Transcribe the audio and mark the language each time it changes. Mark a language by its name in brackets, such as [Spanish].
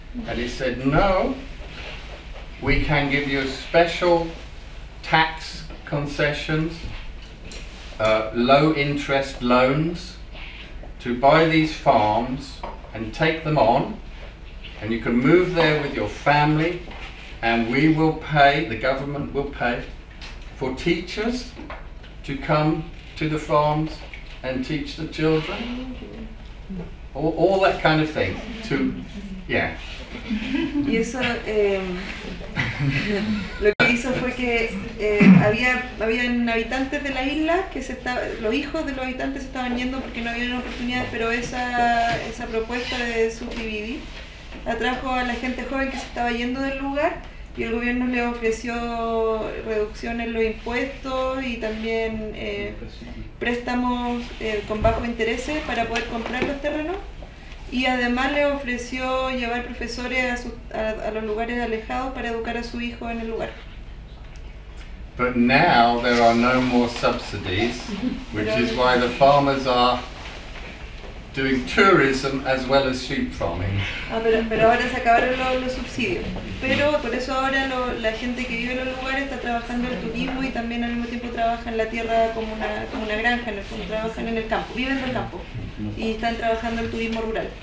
[English] And he said, no, we can give you special tax concessions, low interest loans, to buy these farms and take them on, and you can move there with your family, and we will pay, the government will pay, for teachers to come to the farms and teach the children, all that kind of thing. To, yeah. [Spanish] Y eso, lo que hizo fue que habían habitantes de la isla que se estaba, los hijos de los habitantes se estaban yendo porque no había oportunidades, pero esa propuesta de subdividir atrajo a la gente joven que se estaba yendo del lugar. Y el gobierno le ofreció reducción en los impuestos y también préstamos con bajo interés para poder comprar los terrenos. Y además le ofreció llevar profesores a los lugares alejados para educar a su hijo en el lugar. [English] But now there are no more subsidies, which is why the farmers are doing tourism as well as sheep farming. [Spanish] Pero ahora se acabaron los subsidios. Pero por eso ahora la gente que vive en los lugares está trabajando el turismo y también al mismo tiempo trabaja en la tierra como una granja, en el fondo trabajan en el campo, viven del campo y están trabajando el turismo rural.